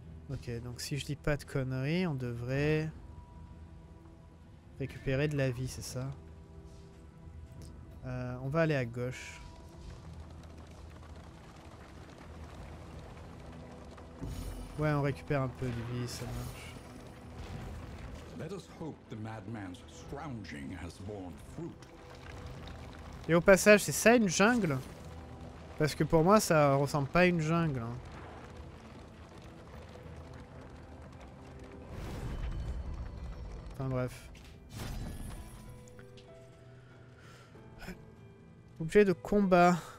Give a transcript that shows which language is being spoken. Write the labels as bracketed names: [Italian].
[French] Ok, donc si je dis pas de conneries, on devrait récupérer de la vie, c'est ça. On va aller à gauche. Ouais, on récupère un peu de vie, ça marche. [English] Let us hope the madman's scrounging has borne fruit. [French] Et au passage, c'est ça une jungle? Parce que pour moi, ça ressemble pas à une jungle. Hein. Enfin bref. Objet de combat.